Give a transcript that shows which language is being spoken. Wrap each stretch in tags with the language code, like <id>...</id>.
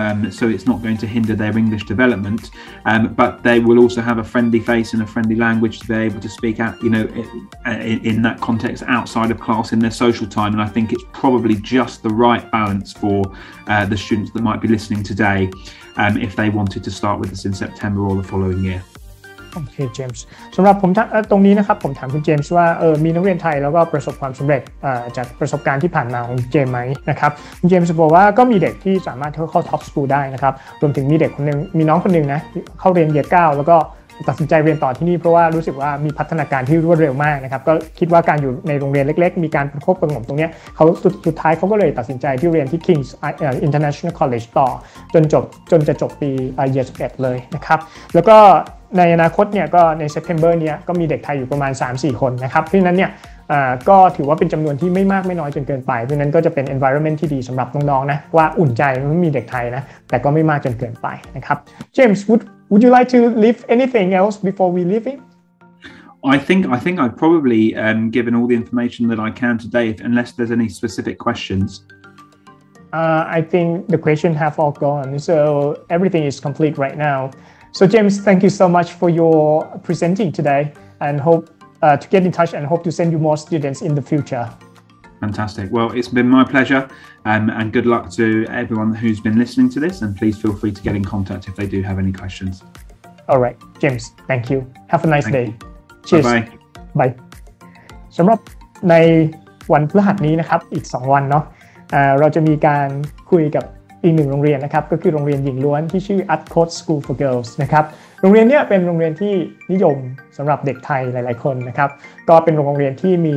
<en>So it's not going to hinder their English development, but they will also have a friendly face and a friendly language to be able to speak out, you know, in that context outside of class in their social time. And I think it's probably just the right balance for the students that might be listening today if they wanted to start with us in September or the following year. Okay, James.</en> <th>สำหรับผมตรงนี้นะครับผมถามคุณเจมส์ว่ามีนักเรียนไทยแล้วก็ประสบความสำเร็จจากประสบการณ์ที่ผ่านมาของเจมส์ไหมนะครับคุณเจมส์บอกว่าก็มีเด็กที่สามารถเข้าท็อปสกูลได้นะครับรวมถึงมีเด็กคนนึงมีน้องคนนึงนะเข้าเรียนเยียร์9แล้วก็ตัดสินใจเรียนต่อที่นี่เพราะว่ารู้สึกว่ามีพัฒนาการที่รวดเร็วมากนะครับก็คิดว่าการอยู่ในโรงเรียนเล็กๆมีการประคบประหงมตรงนี้เขาสุดท้ายเขาก็เลยตัดสินใจที่เรียนที่ King's International College ต่อจน จะจบปี11เลยนะครับแล้วก็ในอนาคตเนี่ยก็ในเซปเทมเบอร์เนี่ยก็มีเด็กไทยอยู่ประมาณ 3-4 คนนะครับเพราะฉะนั้นเนี่ยก็ถือว่าเป็นจำนวนที่ไม่มากไม่น้อยจนเกินไปเพราะฉะนั้นก็จะเป็น environment ที่ดีสำหรับน้องๆนะว่าอุ่นใจมันมีเด็กไทยนะแต่ก็ไม่มากจนเกินไปนะครับ</th> <en>James would you like to leave anything else before we leave it? I think I've probably given all the information that I can today unless there's any specific questions. I think the question have all gone, so everything is complete right now. So James, thank you so much for your presenting today, and hope to get in touch and hope to send you more students in the future. Fantastic. Well, it's been my pleasure, and good luck to everyone who's been listening to this, and please feel free to get in contact if they do have any questions. All right, James, thank you. Have a nice thank day. You. Cheers. Bye-bye. Bye.</en> <th>สำหรับในวันพฤหัสนี้นะครับอีก2วันเนาะเราจะมีการคุยกับอีกหนึ่งโรงเรียนนะครับก็คือโรงเรียนหญิงล้วนที่ชื่อ Adcourt School for Girls นะครับโรงเรียนเนี้ยเป็นโรงเรียนที่นิยมสำหรับเด็กไทยหลายๆคนนะครับก็เป็นโรงเรียนที่</th>